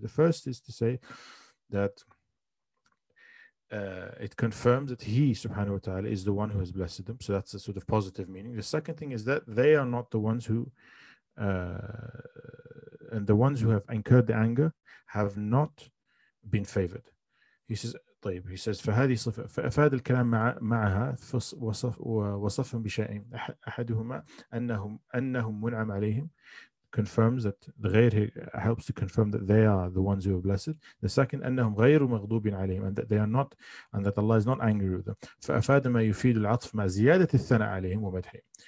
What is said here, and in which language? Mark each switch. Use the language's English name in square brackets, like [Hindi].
[English] The first is to say, that it confirms that he subhanahu wa ta'ala is the one who has blessed them. So that's a sort of positive meaning. The second thing is that they are not the ones who and the ones who have incurred the anger have not been favored. He says [Arabic] فهذه صفة فأفاد الكلام معها وصفهم بشيئين أحدهما أنهم منعم عليهم. [English] Confirms that the غير helps to confirm that they are the ones who are blessed. The second, [Arabic] أنهم غير مغضوبين عليهم, [English] and that they are not, and that Allah is not angry with them. [Arabic] فأفاد ما يفيد العطف مع زيادة الثناء عليهم ومدحهم.